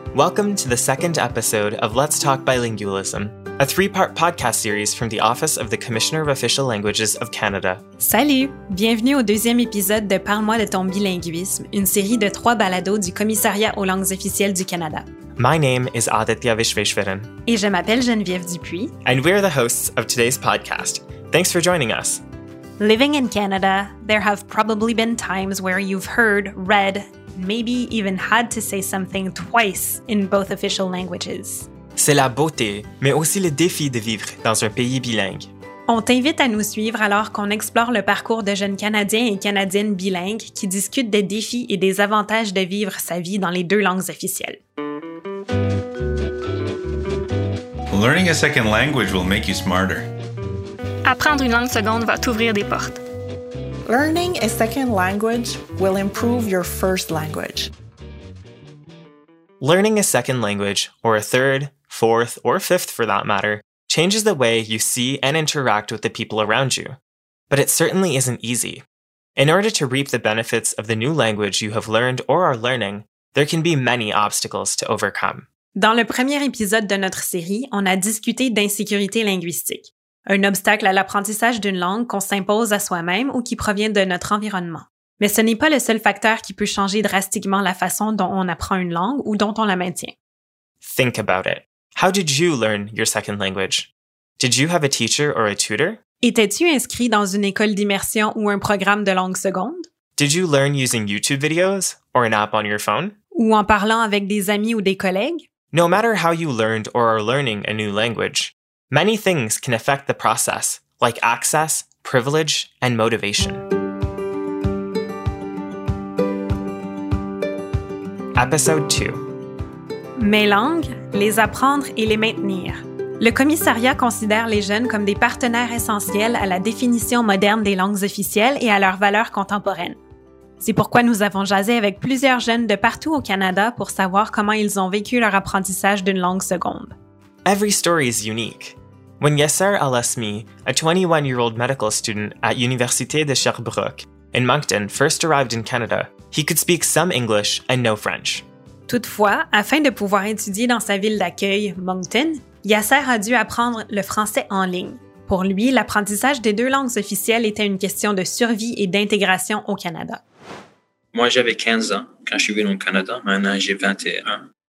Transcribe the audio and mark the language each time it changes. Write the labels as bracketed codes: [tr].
[en] Welcome to the second episode of Let's Talk Bilingualism, a three-part podcast series from the Office of the Commissioner of Official Languages of Canada. [fr] Salut! Bienvenue au deuxième épisode de Parle-moi de ton bilinguisme, une série de trois balados du Commissariat aux langues officielles du Canada. [en] My name is Aditya Vishveshwaran. [fr] Et je m'appelle Geneviève Dupuis. [en] And we're the hosts of today's podcast. Thanks for joining us. Living in Canada, there have probably been times where you've heard, read, maybe even had to say something twice in both official languages. [fr] C'est la beauté, mais aussi le défi de vivre dans un pays bilingue. On t'invite à nous suivre alors qu'on explore le parcours de jeunes Canadiens et Canadiennes bilingues qui discutent des défis et des avantages de vivre sa vie dans les deux langues officielles. [en] Learning a second language will make you smarter. [fr] Apprendre une langue seconde va t'ouvrir des portes. [en] Learning a second language will improve your first language. Learning a second language, or a third, fourth, or fifth for that matter, changes the way you see and interact with the people around you. But it certainly isn't easy. In order to reap the benefits of the new language you have learned or are learning, there can be many obstacles to overcome. [fr] Dans le premier épisode de notre série, on a discuté d'insécurité linguistique. Un obstacle à l'apprentissage d'une langue qu'on s'impose à soi-même ou qui provient de notre environnement. Mais ce n'est pas le seul facteur qui peut changer drastiquement la façon dont on apprend une langue ou dont on la maintient. [en] Think about it. How did you learn your second language? Did you have a teacher or a tutor? [fr] Étais-tu inscrit dans une école d'immersion ou un programme de langue seconde? [en] Did you learn using YouTube videos or an app on your phone? [fr] Ou en parlant avec des amis ou des collègues? [en] No matter how you learned or are learning a new language, many things can affect the process, like access, privilege, and motivation. Episode 2. [fr] Mes langues, les apprendre et les maintenir. Le commissariat considère les jeunes comme des partenaires essentiels à la définition moderne des langues officielles et à leurs valeurs contemporaines. C'est pourquoi nous avons jasé avec plusieurs jeunes de partout au Canada pour savoir comment ils ont vécu leur apprentissage d'une langue seconde. [en] Every story is unique. When Yasser Alasmi, a 21-year-old medical student at Université de Sherbrooke in Moncton, first arrived in Canada, he could speak some English and no French. [fr] Toutefois, afin de pouvoir étudier dans sa ville d'accueil, Moncton, Yasser a dû apprendre le français en ligne. Pour lui, l'apprentissage des deux langues officielles était une question de survie et d'intégration au Canada. Moi, j'avais 15 ans quand je suis venu au Canada. Maintenant, j'ai 21.